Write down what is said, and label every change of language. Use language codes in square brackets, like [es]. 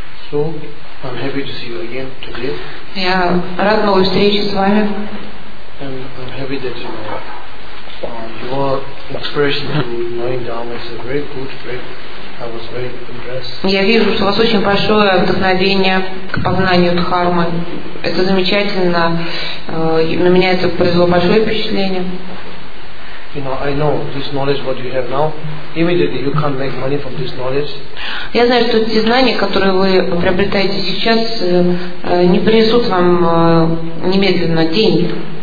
[en] So, I'm happy to see you again today. [ru] Я рад новой встрече с вами. [en] I'm happy that you know. Your expression to knowing Dharma is a very good thing. I was very impressed. [ru] Я вижу, что у вас очень большое вдохновение к познанию Дхармы. Это замечательно. На меня это произвело большое впечатление. [en] You know, I know this knowledge what you have now. Immediately you can't make money from this knowledge. [ru] Я знаю, что эти знания, которые вы приобретаете сейчас, не принесут вам немедленно деньги.